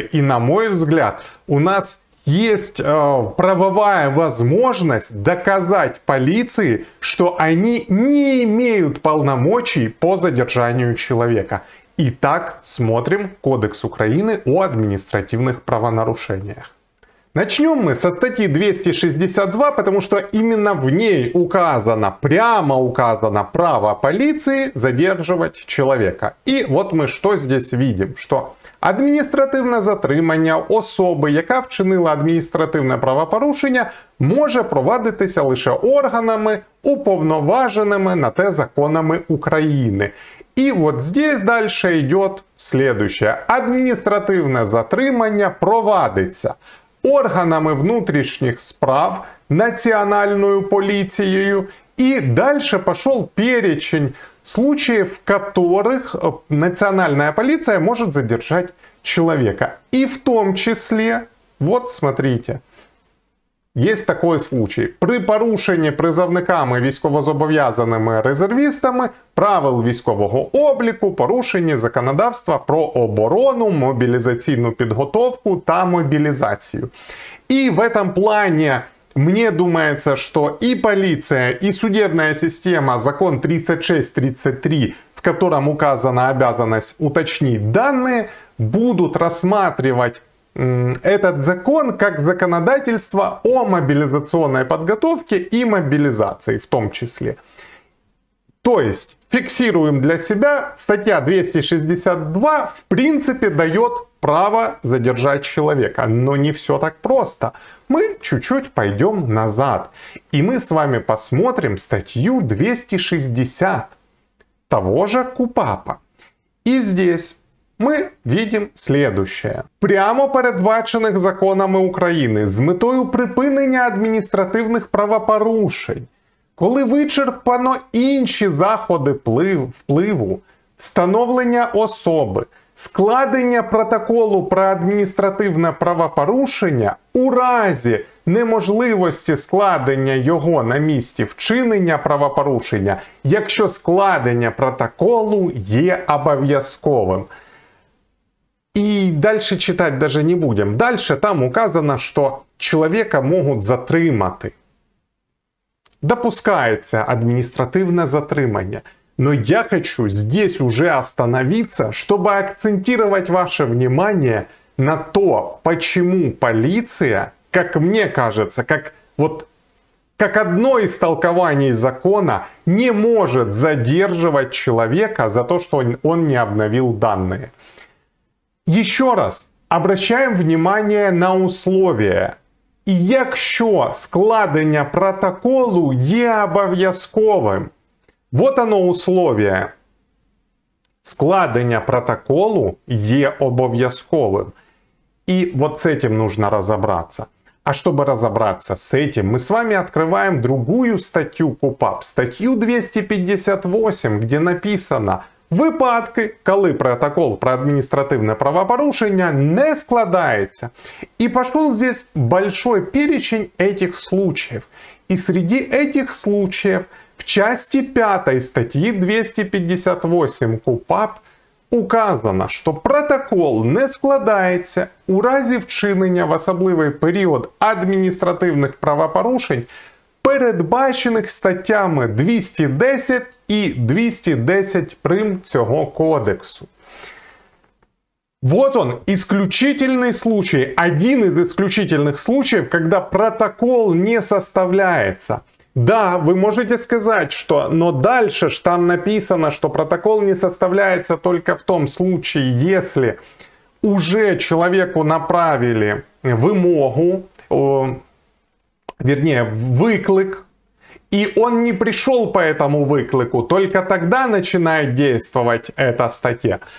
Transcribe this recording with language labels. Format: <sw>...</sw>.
<ru>И на мой взгляд, у нас есть правовая возможность доказать полиции, что они не имеют полномочий по задержанию человека. Итак, смотрим Кодекс Украины о административных правонарушениях. Начнем мы со статьи 262, потому что именно в ней указано, прямо указано право полиции задерживать человека. И вот мы что здесь видим, что</ru> <uk>административне затримання особи, яка вчинила адміністративне правопорушення, може провадитися лише органами, уповноваженими на те законами України. І от</uk> <ru>здесь</ru> <uk>далі йде</uk> <ru>следующее.</ru> <uk>Адміністративне затримання провадиться</uk> <ru>органами внутренних справ, национальную полицию. И дальше пошел перечень случаев, в которых национальная полиция может задержать человека. И в том числе, вот смотрите, есть такой случай.</ru> <uk>При порушении призывниками, військовозобов'язаними резервістами правил військового обліку, порушення законодавства про оборону, мобілізаційну підготовку та мобілізацію.</uk> <ru>І в этом плані мне думается, что и полиция, и судебная система, закон 36.33, в котором указана обязанность уточнить данные, будут рассматривать этот закон как законодательство о мобилизационной подготовке и мобилизации в том числе. То есть фиксируем для себя, статья 262 в принципе дает право задержать человека, но не все так просто. Мы чуть-чуть пойдем назад и мы с вами посмотрим статью 260 того же КУПАПа. И здесь мы видим следующее.</ru> <uk>Прямо передбачених законами України з метою припинення адміністративних правопорушень, коли вичерпано інші заходи впливу, встановлення особи, складення протоколу про адміністративне правопорушення у разі неможливості складення його на місці вчинення правопорушення, якщо складення протоколу є обов'язковим.</uk> <ru>И дальше читать даже не будем. Дальше там указано, что человека могут затримати. Допускается административное затримання. Но я хочу здесь уже остановиться, чтобы акцентировать ваше внимание на то, почему полиция, как мне кажется, как одно из толкований закона, не может задерживать человека за то, что он не обновил данные. Еще раз обращаем внимание на условия.</ru> <uk>Якщо складення протоколу є обов'язковим.</uk> <ru>Вот оно условие.</ru> <uk>Складення протоколу є обов'язковим.</uk> <ru>И вот с этим нужно разобраться. А чтобы разобраться с этим, мы с вами открываем другую статью КУПАП. Статью 258, где написано:</ru> <uk>випадки, коли протокол про адміністративне правопорушення не складається. І пішов</uk> <ru>здесь большой перечень этих случаев.</ru> <uk>І</uk> <ru>среди этих случаев в части 5</ru> <uk>статті 258 КУПАП указано, що протокол не складається у разі вчинення в особливий період адміністративних правопорушень, передбачених статтями 210 і 210 прим цього кодексу.</uk> <ru>Вот он, исключительный случай, один из исключительных случаев, когда протокол не составляется. Да, вы можете сказать, что, но дальше ж там написано, что протокол не составляется только в том случае, если уже человеку направили вимогу, вернее, выклик, и он не пришел по этому выклику, только тогда начинает действовать эта статья.</ru>